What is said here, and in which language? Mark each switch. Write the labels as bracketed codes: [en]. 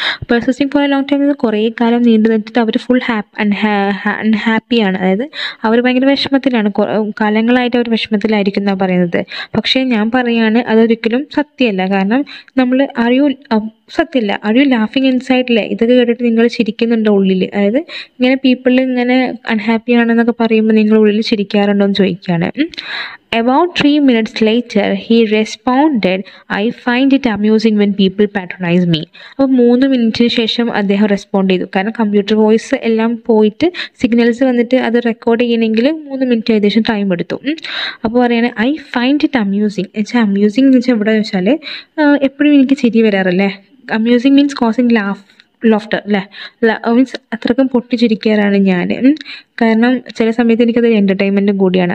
[en] persisting for a long time [ml] എന്ന് കുറേ കാലം നീണ്ടു നിന്നിട്ട് അവർ ഫുൾ അൺഹാപ്പിയാണ്, അതായത് അവർ ഭയങ്കര വിഷമത്തിലാണ്, കാലങ്ങളായിട്ട് അവർ വിഷമത്തിലായിരിക്കും എന്നാണ് പറയുന്നത്. പക്ഷേ ഞാൻ പറയുകയാണ് അതൊരിക്കലും സത്യമല്ല, കാരണം നമ്മൾ അറിയൂ, സത്യമല്ല, [en] Are you ലാഫിങ് inside? [ml] അല്ലേ, ഇതൊക്കെ കേട്ടിട്ട് നിങ്ങൾ ചിരിക്കുന്നുണ്ടോ ഉള്ളിൽ? അതായത് ഇങ്ങനെ പീപ്പിൾ ഇങ്ങനെ അൺഹാപ്പി ആണെന്നൊക്കെ പറയുമ്പോൾ നിങ്ങൾ ഉള്ളിൽ ചിരിക്കാറുണ്ടോ എന്ന് ചോദിക്കുകയാണ്. [en] About 3 minutes later, he responded, I find it amusing when people patronize me. [ml] അപ്പോൾ 3 മിനിറ്റിന് ശേഷം അദ്ദേഹം റെസ്പോണ്ട് ചെയ്തു, കാരണം കമ്പ്യൂട്ടർ വോയിസ് എല്ലാം പോയിട്ട് സിഗ്നൽസ് വന്നിട്ട് അത് റെക്കോർഡ് ചെയ്യണമെങ്കിൽ 3 മിനിറ്റ് ഏകദേശം ടൈം എടുത്തു. അപ്പോൾ പറയുകയാണ് [en] I find it amusing [ml] എന്ന് വെച്ചാൽ, അമ്യൂസിംഗ് എന്ന് വെച്ചാൽ എവിടെയെന്ന് വെച്ചാൽ എപ്പോഴും എനിക്ക് ചിരി വരാറല്ലേ. [en] amusing means causing laugh laughter, [ml] അല്ലേ, മീൻസ് അത്രക്കും പൊട്ടിച്ചിരിക്കാറാണ് ഞാൻ, കാരണം ചില സമയത്ത് എനിക്കത് എൻ്റർടൈൻമെൻ്റ് കൂടിയാണ്.